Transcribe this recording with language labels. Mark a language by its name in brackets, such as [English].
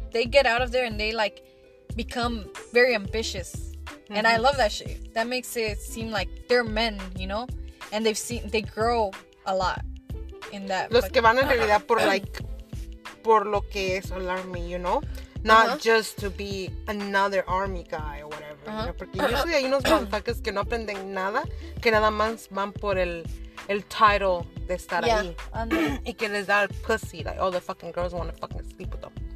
[English] They get out of there and they like become very ambitious. Mm-hmm. And I love that shit. That makes it seem like they're men, you know, and they grow a lot in that. [Spanish] Los fucking, que van en realidad por like, for lo que es el army, [English] you know? Not just to be another army guy or whatever. Uh-huh. [Spanish] Porque usually hay unos motherfuckers que no aprenden nada, que nada más van por el title de estar [English] yeah, [Spanish] ahí. Y que les da el pussy. [English] Like, all the fucking girls want to fucking sleep with them.